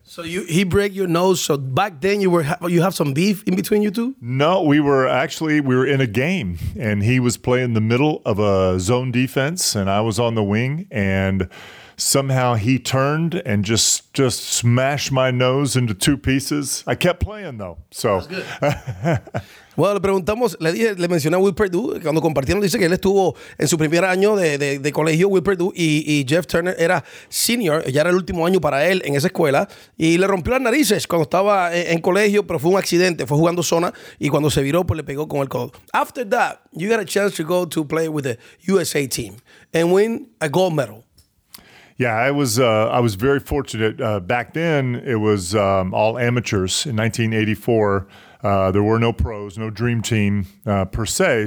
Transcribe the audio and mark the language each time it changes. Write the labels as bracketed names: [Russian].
[English] So he break your nose, so back then you have some beef in between you two? No, we were in a game, and he was playing the middle of a zone defense, and I was on the wing, and somehow he turned and just smashed my nose into two pieces. I kept playing though. So good. [Spanish] Bueno, le mencioné a Will Perdue cuando compartieron, dice que él estuvo en su primer año de colegio, Will Perdue, y Jeff Turner era senior, ya era el último año para él en esa escuela, y le rompió las narices cuando estaba en colegio, pero fue un accidente, fue jugando zona, y cuando se viró, pues le pegó con el codo. [English] After that, you got a chance to go to play with the USA team and win a gold medal. Yeah, I was very fortunate. Back then, it was all amateurs. In 1984, there were no pros, no dream team per se.